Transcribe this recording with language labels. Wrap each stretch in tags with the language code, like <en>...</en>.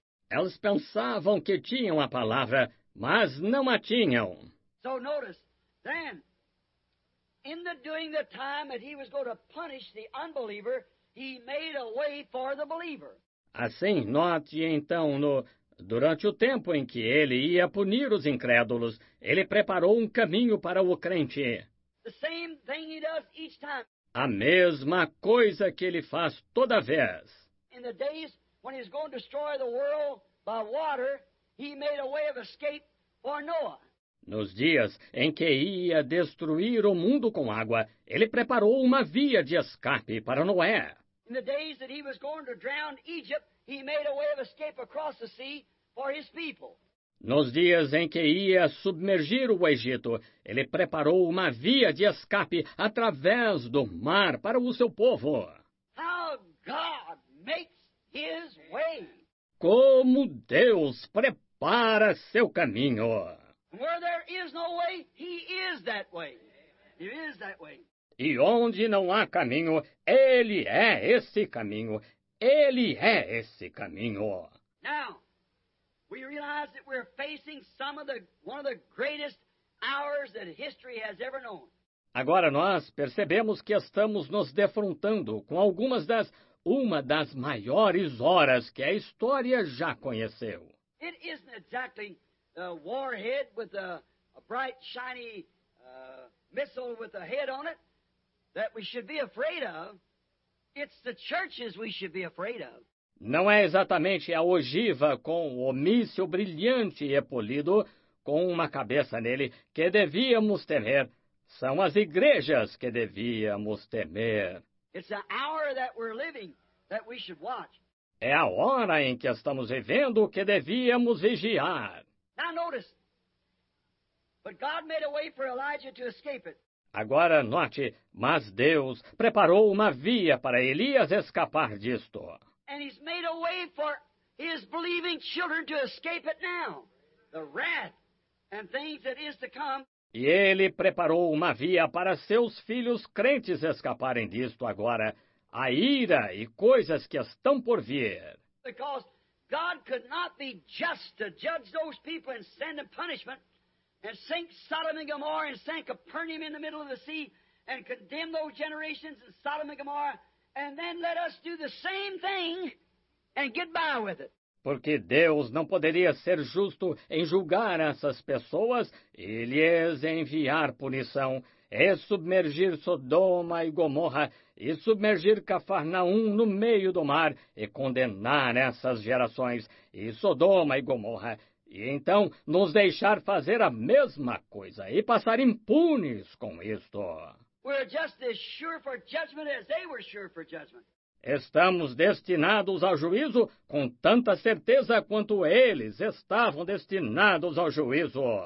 <pt>Elas pensavam que tinham a palavra, mas não a tinham.</pt> <en>So notice, then, in the doing the time that he was going to punish the unbeliever, he made a way for the believer.</en> <pt>Assim, note então, durante o tempo em que ele ia punir os incrédulos, ele preparou um caminho para o crente.</pt> <en>The same thing he does each time.</en> <pt>A mesma coisa que ele faz toda vez.</pt> <en>In the days when he's going to destroy the world by water, he made a way of escape for Noah.</en> <pt>Nos dias em que ia destruir o mundo com água, ele preparou uma via de escape para Noé.</pt> <en>In the days that he was going to drown Egypt, he made a way of escape across the sea for his people.</en> <pt>Nos dias em que ia submergir o Egito, ele preparou uma via de escape através do mar para o seu povo.</pt> <en>How God makes his way.</en> <pt>Como Deus prepara seu caminho.</pt> <en>Where there is no way, he is that way. He is that way.</en> <pt>E onde não há caminho, ele é esse caminho. Ele é esse caminho.</pt> <en>Now, we realize that we're facing one of the greatest hours that history has ever known.</en> <pt>Agora nós percebemos que estamos nos defrontando com algumas das uma das maiores horas que a história já conheceu.</pt> <en>It isn't exactly a warhead with a bright shiny missile with a head on it that we should be afraid of. It's the churches we should be afraid of.</en> <pt>Não é exatamente a ogiva com o míssil brilhante e polido com uma cabeça nele que devíamos temer. São as igrejas que devíamos temer.</pt> <en>It's the hour that we're living that we should watch.</en> <pt>É a hora em que estamos vivendo que devíamos vigiar.</pt> <en>Now notice, but God made a way for Elijah to escape it.</en> <pt>Agora note, mas Deus preparou uma via para Elias escapar disto.</pt> <en>And he's made a way for his believing children to escape it now. The wrath and things that is to come.</en> <pt>E ele preparou uma via para seus filhos crentes escaparem disto agora. A ira e coisas que estão por vir.</pt> <en>Because God could not be just to judge those people and send them punishment. And sink Sodom and Gomorrah and sink Capernaum in the middle of the sea and condemn those generations in Sodom and Gomorrah and then let us do the same thing and get by with it.</en> <pt>Porque Deus não poderia ser justo em julgar essas pessoas e lhes enviar punição e submergir Sodoma e Gomorra e submergir Cafarnaum no meio do mar e condenar essas gerações e Sodoma e Gomorra. E então, nos deixar fazer a mesma coisa e passar impunes com isto.</pt> <en>We're just as sure for judgment as they were sure for judgment.</en> <pt>Estamos destinados ao juízo com tanta certeza quanto eles estavam destinados ao juízo.</pt>